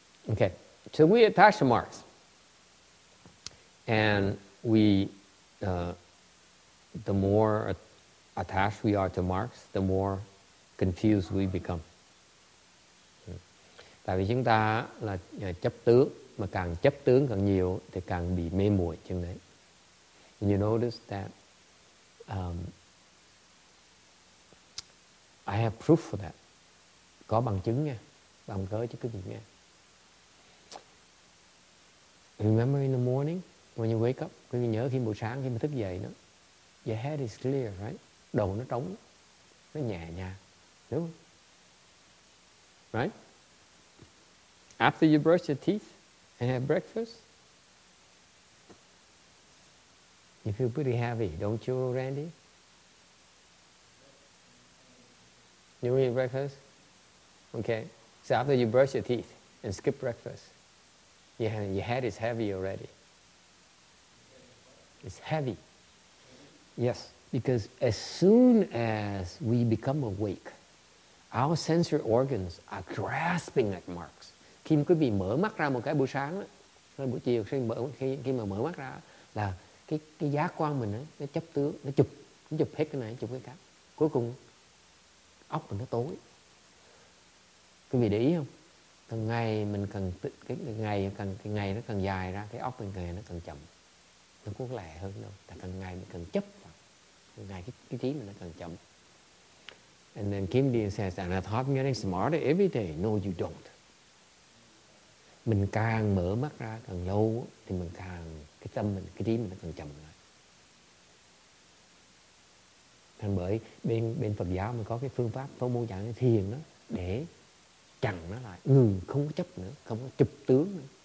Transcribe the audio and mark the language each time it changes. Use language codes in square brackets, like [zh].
[en] Okay, so we attach the marks, and we, the more attached we are to marks, the more confused we become. [vi] Tại vì chúng ta là chấp tướng, mà càng chấp tướng càng nhiều thì càng bị mê muội chừng đấy. [en] You notice that I have proof for that. [vi] Có bằng chứng nha, bằng cớ chứ quý vị nghe. [en] Remember in the morning when you wake up, [vi] quý vị nhớ khi buổi sáng khi mà thức dậy nữa, [en] your head is clear, right? [vi] Đầu nó trống, nó nhẹ nhàng, đúng không? [en] Right? After you brush your teeth and have breakfast, you feel pretty heavy, don't you, Randy? You eat breakfast? Okay. So after you brush your teeth and skip breakfast, your head is heavy already. It's heavy. Yes, because as soon as we become awake, our sensory organs are grasping at marks. [vi] Khi quý vị mở mắt ra một cái buổi sáng, hay buổi chiều, khi mà mở mắt ra là cái giác quan mình ấy, nó chấp tướng, nó chụp hết cái này, chụp cái khác. Cuối cùng óc mình nó tối. Quý vị để ý không? Từng ngày mình cần cái ngày nó càng dài ra, cái óc mình càng nó càng chậm. Nó cuốn lẹ hơn đâu. Tại càng ngày mình càng chấp vào. Càng ngày cái trí mình nó càng chậm. [en] And then Kim Dean says that I thought I'm getting smarter every day. No, you don't. [vi] Mình càng mở mắt ra càng lâu thì mình càng cái tâm mình, cái trí mình nó càng chậm lại. Thành bởi bên Phật giáo mình có cái phương pháp phổ môn giảng thiền đó để chặn nó lại, ngừng, không có chấp nữa, không có chụp tướng nữa.